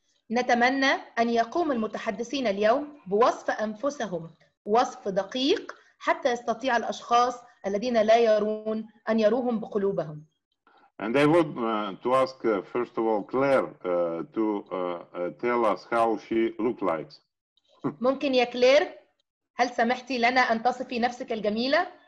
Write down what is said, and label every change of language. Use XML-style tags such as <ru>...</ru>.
<ar>نتمنى أن يقوم المتحدثين اليوم بوصف أنفسهم وصف دقيق حتى يستطيع الأشخاص الذين لا يرون أن يروهم بقلوبهم.</ar> <en>And I would to ask, first of all, Claire to tell us how she looked like.</en> <ar>ممكن يا كلير هل سمحتي لنا أن تصفي نفسك الجميلة؟</ar>